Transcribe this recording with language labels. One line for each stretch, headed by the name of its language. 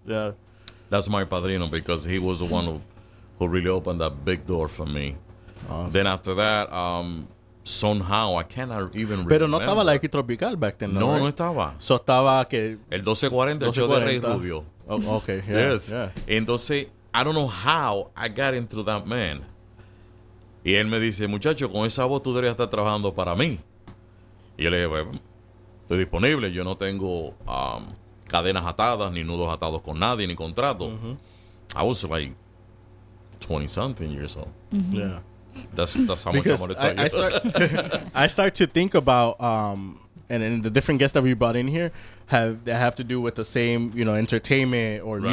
English: That's my padrino because he was the one who really opened that big door for me. Awesome. Then after that, somehow, I cannot even remember.
Spanish: Pero no estaba La X Tropical back then, no?
English: Right?
Spanish: No estaba.
English: So
Spanish: estaba que... El 1240, el show de Rey Rubio.
English: Oh, okay, yes.
Spanish: Entonces,
English: I don't know how I got into that man.
Spanish: Y él me dice, muchacho, con esa voz tú deberías estar trabajando para mí. Y yo le dije, estoy disponible. Yo no tengo cadenas atadas, ni nudos atados con nadie, ni contrato.
English: Mm-hmm. I was like 20-something years old. Mm-hmm. Yeah. That's how because much I want to tell you. I start to think about, and the different guests that we brought in here have to do with the same, you know, entertainment or right.